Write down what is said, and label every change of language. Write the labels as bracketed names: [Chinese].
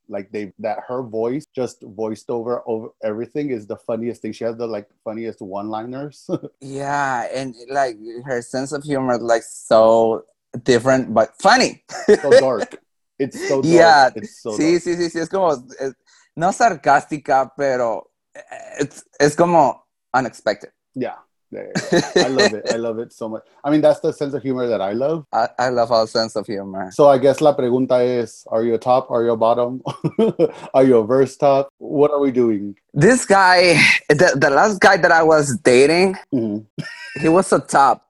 [English] Like, her voice, just voiced over everything, is the funniest thing. She has the, like, funniest one-liners. Yeah. And, like, her sense of humor is, like, so different, but funny. So dark. It's so dark. Yeah. It's so dark. [Spanish] Sí, sí, sí, sí. Es como, no sarcástica, pero es como unexpected. [English] Yeah. I love it. I love it so much. I mean, that's the sense of humor that I love. I love all sense of humor. So I guess [Spanish] la pregunta es, [English] are you a top? Are you a bottom? Are you a verse top? What are we doing? This guy, the last guy that I was dating, mm-hmm. He was a top.